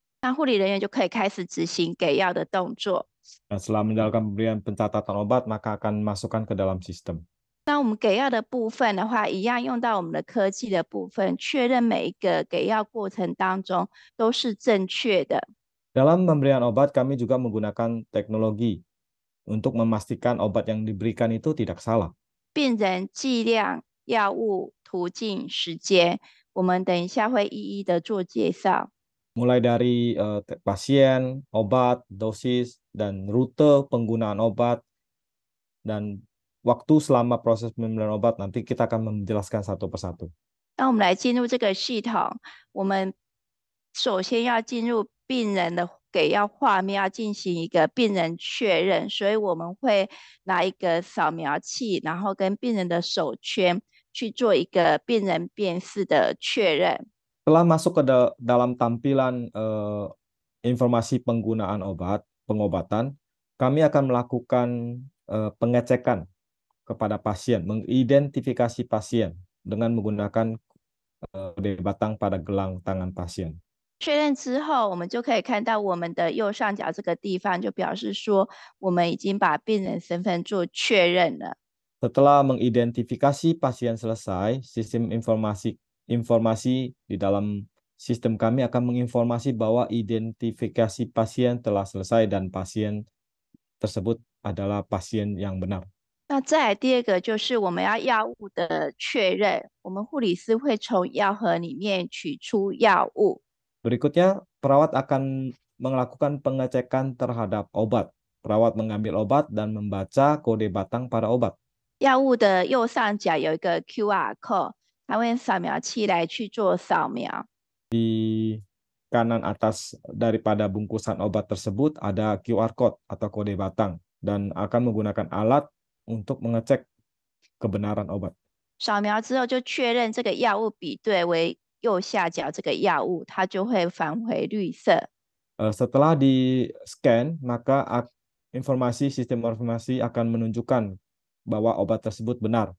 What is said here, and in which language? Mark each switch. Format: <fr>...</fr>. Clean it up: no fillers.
<zh>那护理人员就可以开始执行给药的动作。</zh> <id>Nah, setelah menjalankan pemberian pencatatan obat, maka akan masukkan ke dalam sistem.</id> <zh>那我们给药的部分的话，一样用到我们的科技的部分，确认每一个给药过程当中都是正确的。</zh> <id>Dalam pemberian obat, kami juga menggunakan teknologi untuk memastikan obat yang diberikan itu tidak salah.</id> <zh>病人剂量、药物、途径、时间，我们等一下会一一的做介绍。</zh> <id>Mulai dari pasien, obat, dosis, dan rute penggunaan obat, dan waktu selama proses pemberian obat, nanti kita akan menjelaskan satu persatu.</id> <zh>那我们来进入这个系统。我们首先要进入病人的给药画面，要进行一个病人确认。所以我们会拿一个扫描器，然后跟病人的手圈去做一个病人辨识的确认。</zh> <id>Setelah masuk ke dalam tampilan informasi penggunaan obat, pengobatan, kami akan melakukan pengecekan kepada pasien, mengidentifikasi pasien dengan menggunakan dari batang pada gelang tangan pasien.</id> <zh>确认之后，我们就可以看到我们的右上角这个地方，就表示说我们已经把病人身份做确认了。</zh> <id>Setelah mengidentifikasi pasien selesai, sistem informasi di dalam sistem kami akan menginformasi bahwa identifikasi pasien telah selesai dan pasien tersebut adalah pasien yang benar.</id> <zh>那再来第二个就是我们要药物的确认，我们护理师会从药盒里面取出药物。</zh> <id>Berikutnya, perawat akan melakukan pengecekan terhadap obat. Perawat mengambil obat dan membaca kode batang pada obat.</id> <zh>药物的右上角有一个 QR code，它会用扫描器来去做扫描。</zh> <id>Di kanan atas daripada bungkusan obat tersebut ada QR code atau kode batang dan akan menggunakan alat untuk mengecek kebenaran obat.</id> <zh>扫描之后就确认这个药物比对为右下角这个药物，它就会返回绿色。</zh> <id>Setelah di scan, maka informasi sistem informasi akan menunjukkan bahwa obat tersebut benar.</id>